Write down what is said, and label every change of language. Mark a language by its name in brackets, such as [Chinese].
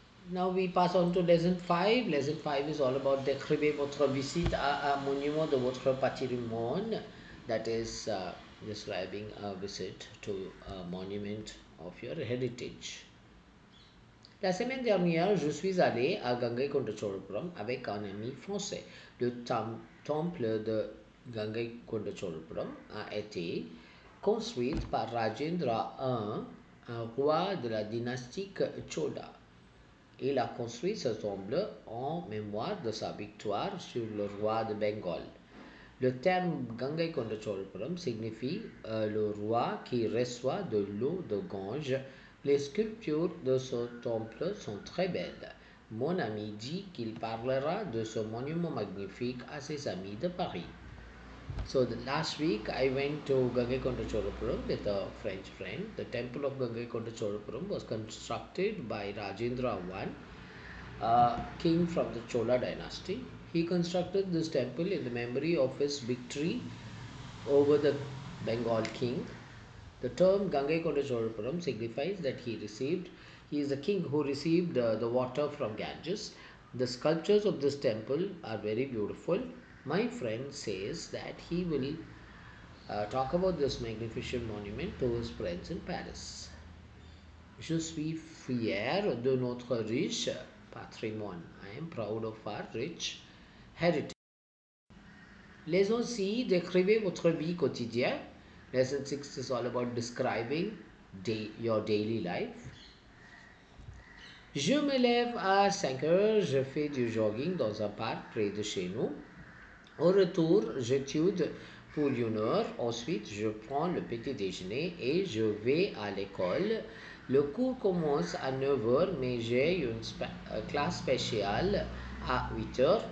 [English] Now we pass on to lesson 5. Lesson 5 is all about [French] décrivez votre visite à un monument de votre patrimoine. [English] That is describing a visit to a monument of your heritage. [French] La semaine dernière, je suis allé à Gangaikondacholapuram avec un ami français. Le temple de Gangaikondacholapuram a été construit par Rajendra I, un roi de la dynastie Chola. Il a construit ce temple en mémoire de sa victoire sur le roi de Bengale. Le terme Gangaikondacholapuram signifie le roi qui reçoit de l'eau de Gange. Les sculptures de ce temple sont très belles. Mon ami dit qu'il parlera de ce monument magnifique à ses amis de Paris. [English] So the last week I went to Gangaikondacholapuram with a French friend. The temple of Gangaikondacholapuram was constructed by Rajendra I, a king from the Chola dynasty. He constructed this temple in the memory of his victory over the Bengal king. The term Gangaikondacholapuram signifies that he is the king who received the water from Ganges. The sculptures of this temple are very beautiful. My friend says that he will talk about this magnificent monument to his friends in Paris. [French] Je suis fier de notre riche patrimoine. [English] I am proud of our rich heritage. Lesson 6, [French] décrivez votre vie quotidienne. [English] Lesson 6 is all about describing your daily life. [French] Je me lève à 5h, je fais du jogging dans un parc près de chez nous. Au retour, j'étude pour 1 heure. Ensuite, je prends le petit déjeuner et je vais à l'école. Le cours commence à 9h, mais j'ai une classe spéciale à 8h.